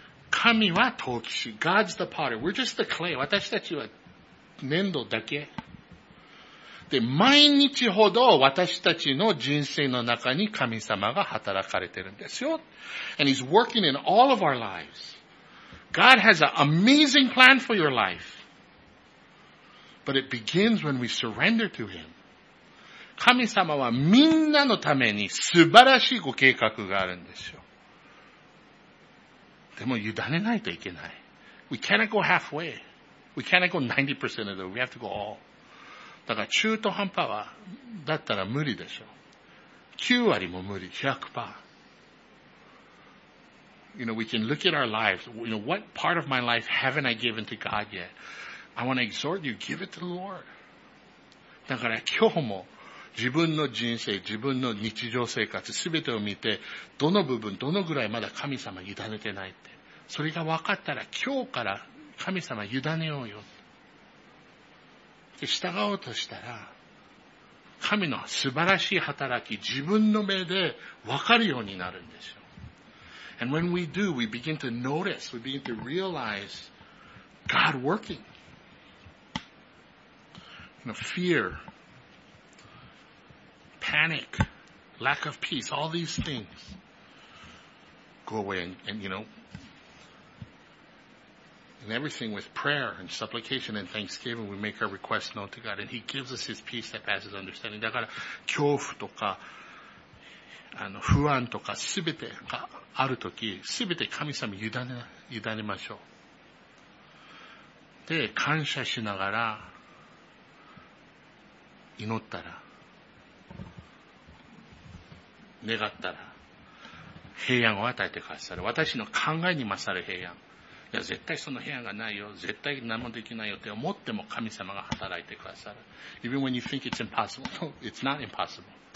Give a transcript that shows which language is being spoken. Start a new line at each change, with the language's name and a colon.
Japanese: 神は陶器師。
English: God's the potter. We're just the clay.
Japanese: 私たちは粘土だけ。で、毎日ほど私たちの人生の中に神様が働かれてるんですよ。
English: And He's working in all of our lives. God has an amazing plan for your life. But it begins when we surrender to Him.
Japanese: 神様はみんなのために素晴らしいご計画があるんですよ。でも委ねないといけない。
English: We cannot go halfway. We cannot go 90% of the way. We have to go all.
Japanese: だから中途半端は、だったら無理でしょ。 9割も無理、 100%。
English: You know, we can look at our lives. You know, what part of my life haven't I given to God yet? I want to exhort you, give it to the Lord.
Japanese: だから今日も自分の人生、自分の日常生活、すべてを見て、どの部分、どのぐらいまだ神様委ねてないって。それが分かったら今日から神様委ねようよ。従おうとしたら、神の素晴らしい働き、自分の目で分かるようになるんですよ。
English: And when we do, we begin to notice, we begin to realize God working. You know, fear, panic, lack of peace, all these things go away and you know,And everything with prayer and supplication and thanksgiving, we make our requests known to God. And He gives us His peace that passes understanding.
Japanese: だから、恐怖とか、不安とか、すべてがあるとき、すべて神様に委ねましょう。で、感謝しながら、祈ったら、願ったら、平安を与えてくださる。私の考えに勝る平安。いや、絶対その平安がないよ。絶対何もできないよって思っても神様が働いてくださる。
English: Even when you think it's impossible, no, it's not impossible.